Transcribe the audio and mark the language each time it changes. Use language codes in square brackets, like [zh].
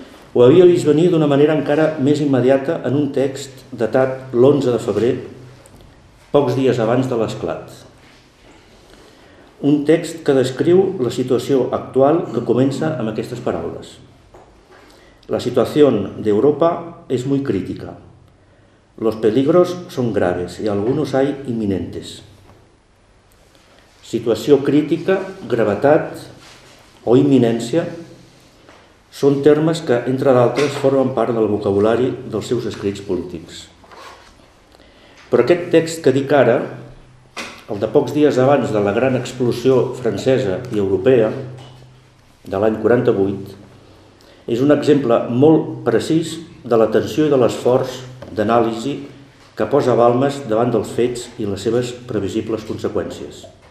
[ca] Ho havia vist venir d'una manera encara més immediata en un text datat l'11 de febrer, pocs dies abans de l'esclat. Un text que descriu la situació actual que comença amb aquestes paraules. [es] La situación de Europa es muy crítica. Los peligros son graves y algunos hay inminentes. [ca] Situació crítica, gravetat o imminència són termes que, entre d'altres, formen part del vocabulari dels seus escrits polítics. Però aquest text que dic ara, el de pocs dies abans de la gran explosió francesa i europea de l'any 48, és un exemple molt precís de la tensió i de l'esforç d'anàlisi que posa Balmes davant dels fets i les seves previsibles conseqüències.